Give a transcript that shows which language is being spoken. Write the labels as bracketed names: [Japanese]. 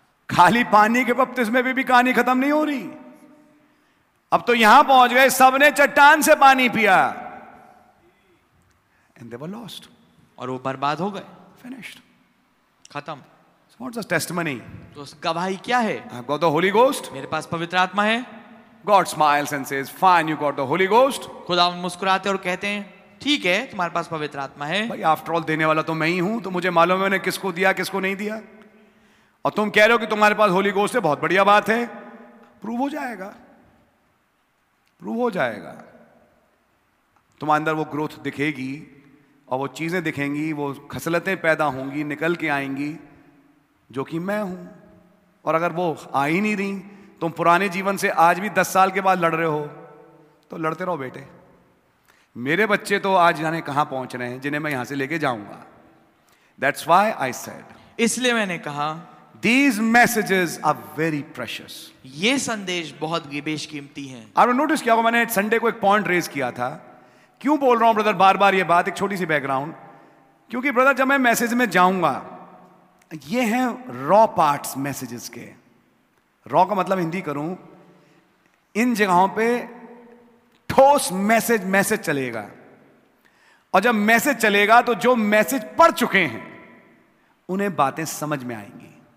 [Hindi] खाली पानी के बपतिस्मे में भी कहानी खत्म नहीं हो रही। अब तो यहां पहुंच गए, सबने चट्टान से पानी पिया, [English] and they were lost, [Hindi] और वो बर्बाद हो गए, [English] finished, [Hindi] खत्म। [English] so what's the testimony, [Hindi] तो गवाही क्या है? [English] I got the Holy Ghost, [Hindi] मेरे पास पवित्र आत्मा है। [English] God smiles and says, "Fine, you got the Holy Ghost." [Hindi] खुदा मुस्कुराते और कहते हैं, ठीक है, तुम्हारे पास पवित्र आत्मा है। भाई, [English] after all, [Hindi] देने वाला तो मैं ही हूँ, तो मुझे मालूम है मैंने किसको दिया, किसको नहीं दिया। और तुम कह रहे हो कि तुम्हारे पास Holy Ghost है, बहुत बढ़िया बात है। प्रूव हो जाएगा, प्रूव हो जाएगा। तुम्हारे अंदर वो ग्रोथ दिखेगी और वो चीजें दिखेंगी, वो खसलतें पैदा होंगी, निकल के आएंगी, जो कि मैं हूं। और अगर वो आ ही नहीं रही, तुम पुराने जीवन से आज भी 10 साल के बाद लड़ रहे हो, तो लड़ते रहो बेटे। मेरे बच्चे तो आज जाने कहां पहुंच रहे हैं, जिन्हें मैं यहां से लेके जाऊंगा। [English] That's why I said, [Hindi] इसलिए मैंने कहा, [English] These messages are very precious. [Hindi] ये संदेश बहुत बेश कीमती हैं। आपने नोटिस किया होगा, मैंने संडे को एक पॉइंट रेज किया था। क्यों बोल रहा हूं ब्रदर बार बार ये बात, एक छोटी सी बैकग्राउंड, क्योंकि ब्रदर जब मैं मैसेज में जाऊंगा, ये हैं रॉ पार्ट्स मैसेजेस के। रॉ का मतलब हिंदी करूं, इन जगहों पे ठोस मैसेज मैसेज चलेगा, और जब मैसेज चलेगा तो जो मैसेज पढ़ चुके हैं उन्हें बातें समझ में आएंगी।